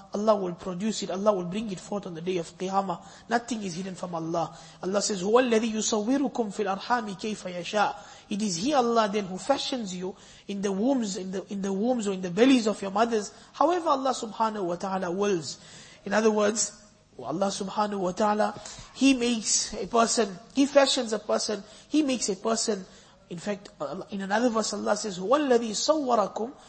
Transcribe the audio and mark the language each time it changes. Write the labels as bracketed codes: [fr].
[en] Allah will produce it, Allah will bring it forth on the day of Qiyamah. Nothing is hidden from Allah. Allah says, [ar] هُوَ الَّذِي يُصَوِّرُكُمْ فِي الْأَرْحَامِ كَيْفَ يَشَاءُ. [en] It is He, Allah, then who fashions you in the wombs, in the wombs or in the bellies of your mothers, however Allah subhanahu wa ta'ala wills. In other words, Allah subhanahu wa ta'ala, He makes a person, He fashions a person, He makes a person. In fact, in another verse, Allah says, [ar] هُوَ الَّذِي صَوَّرَكُمْ.